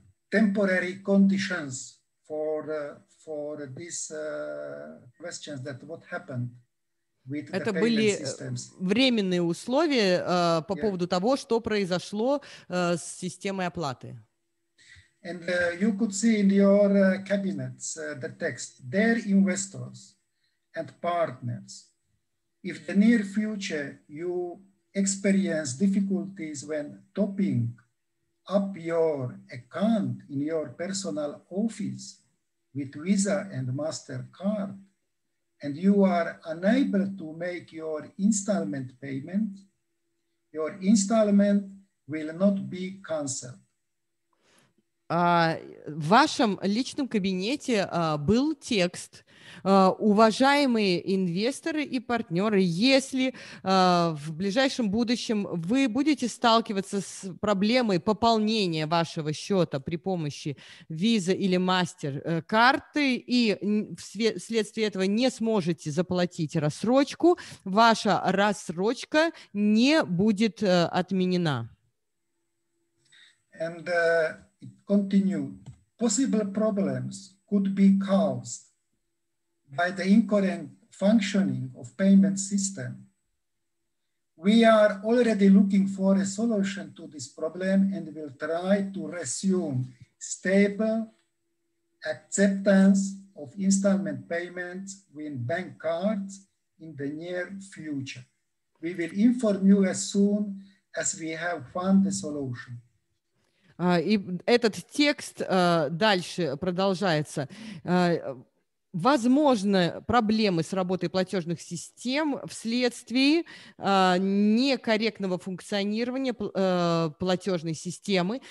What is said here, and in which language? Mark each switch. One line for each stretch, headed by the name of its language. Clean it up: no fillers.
English: Temporary conditions for this questions that what happened.
Russian: Это были временные условия по поводу того, что произошло с системой оплаты.
English: And you could see in your cabinets the text, dear investors and partners, if the near future you experience difficulties when topping up your account in your personal office, with Visa and MasterCard, and you are unable to make your installment payment, your installment will not be canceled.
Russian: В вашем личном кабинете был текст: уважаемые инвесторы и партнеры, если в ближайшем будущем вы будете сталкиваться с проблемой пополнения вашего счета при помощи Visa или MasterCard и вследствие этого не сможете заплатить рассрочку, ваша рассрочка не будет отменена.
English: And, continue. Possible problems could be caused by the incorrect functioning of payment system. We are already looking for a solution to this problem and will try to resume stable acceptance of installment payments with bank cards in the near future. We will inform you as soon as we have found the solution.
Russian: И этот текст дальше продолжается. Возможно, проблемы с работой платежных систем вследствие некорректного функционирования платежной системы.